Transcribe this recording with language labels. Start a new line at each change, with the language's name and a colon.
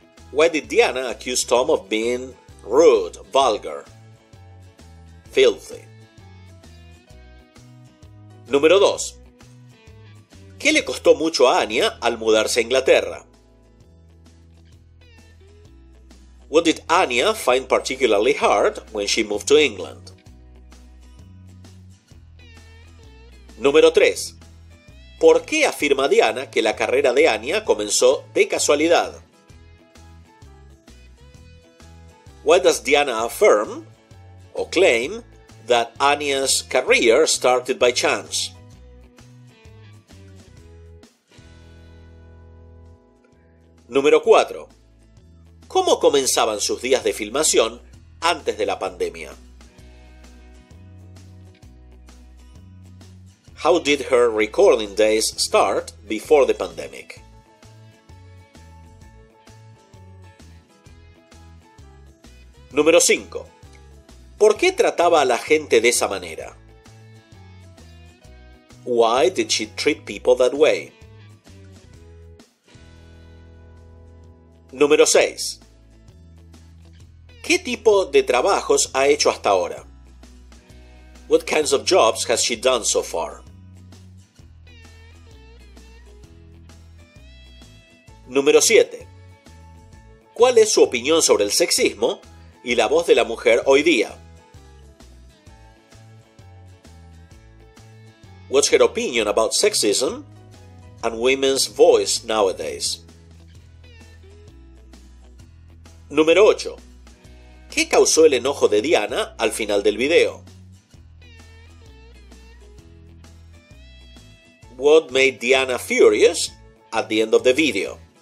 English: Why did Diana accuse Tom of being rude, vulgar, filthy?
Spanish: Número 2. ¿Qué le costó mucho a Anya al mudarse a Inglaterra?
English: What did Anya find particularly hard when she moved to England?
Spanish: Número 3. ¿Por qué afirma Diana que la carrera de Anya comenzó de casualidad?
English: Why does Diana affirm or claim that Anya's career started by chance?
Spanish: Número 4. ¿Cómo comenzaban sus días de filmación antes de la pandemia?
English: How did her recording days start before the pandemic?
Spanish: Número 5. ¿Por qué trataba a la gente de esa manera?
English: Why did she treat people that way?
Spanish: Número 6. ¿Qué tipo de trabajos ha hecho hasta ahora?
English: What kinds of jobs has she done so far?
Spanish: Número 7. ¿Cuál es su opinión sobre el sexismo y la voz de la mujer hoy día?
English: What's her opinion about sexism and women's voice nowadays?
Spanish: Número 8. ¿Qué causó el enojo de Diana al final del video?
English: What made Diana furious at the end of the video?